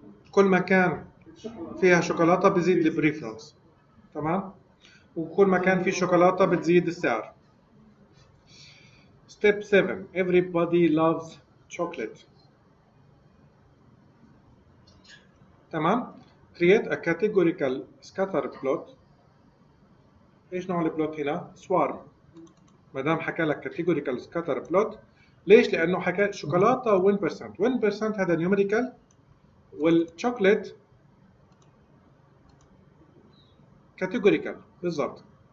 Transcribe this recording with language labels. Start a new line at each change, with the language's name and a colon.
Arabic: كل ما كان فيها شوكولاته بزيد البريفرنس تمام، وكل ما كان في شوكولاته بتزيد السعر. ستيب 7
English: everybody loves chocolate
Arabic: تمام،
English: create a categorical scatter plot.
Arabic: ايش نوع البلوت هنا؟ swarm. ما دام حكى لك كاتيجوريكال سكاتر بلوت، ليش؟ لانه حكى شوكولاته 1%، 1% هذا نيوميريكال، والشوكليت كاتيجوريكال بالضبط.